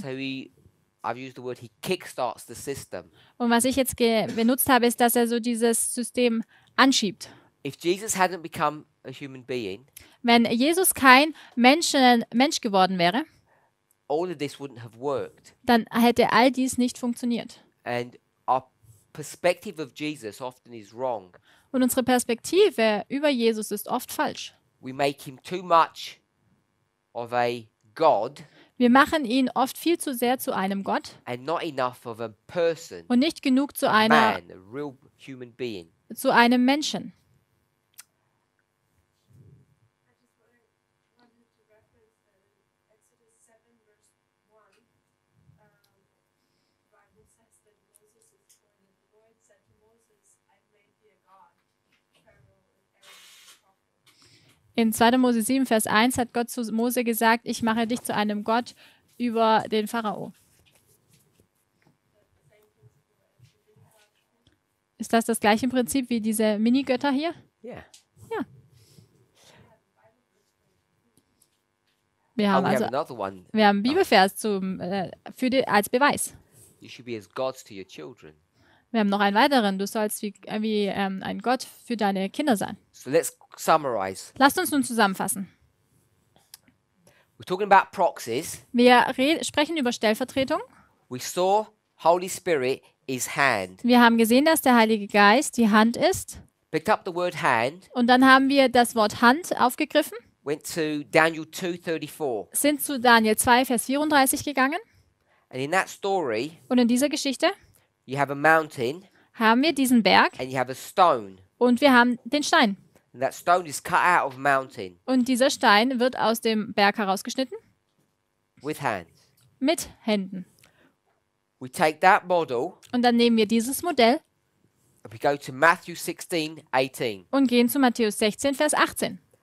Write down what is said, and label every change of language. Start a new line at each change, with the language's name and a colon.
English: So I've used the word he kickstarts the system.
German: Und was ich jetzt benutzt habe, ist, dass so dieses System anschiebt.
English: If Jesus hadn't become a human being,
German: wenn Jesus kein Mensch geworden wäre,
English: all of this wouldn't have worked.
German: Dann hätte dies nicht funktioniert.
English: And our perspective of Jesus often is wrong.
German: Und unsere Perspektive über Jesus ist oft falsch.
English: We make him too much of a God.
German: Wir machen ihn oft viel zu sehr zu einem Gott.
English: And not enough of a person.
German: Und nicht genug zu einer
English: man, a real human being.
German: Zu einem Menschen. In 2. Mose 7, Vers 1 hat Gott zu Mose gesagt, ich mache dich zu einem Gott über den Pharao. Ist das das gleiche Prinzip wie diese Mini-Götter hier?
English: Yeah.
German: Ja. Wir haben also, wir haben Bibelvers zum, für die, als Beweis.
English: You should be as gods to your children.
German: Wir haben noch einen weiteren. Du sollst wie ein Gott für deine Kinder sein.
English: So let's summarize.
German: Lasst uns nun zusammenfassen.
English: We're talking about proxies.
German: Wir sprechen über Stellvertretung.
English: We saw Holy Spirit is hand.
German: Wir haben gesehen, dass der Heilige Geist die Hand ist.
English: Picked up the word hand.
German: Und dann haben wir das Wort Hand aufgegriffen.
English: Went to Daniel 2:34.
German: Sind zu Daniel 2, Vers 34 gegangen.
English: And in that story,
German: und in dieser Geschichte
English: you have a mountain,
German: haben wir diesen Berg
English: and you have a stone.
German: Und wir haben den Stein.
English: And that stone is cut out of mountain.
German: Und dieser Stein wird aus dem Berg herausgeschnitten.
English: With hands.
German: Mit Händen.
English: We take that model,
German: und dann nehmen wir dieses Modell
English: and we go to Matthew 16, 18.
German: Und gehen zu Matthäus 16, Vers 18.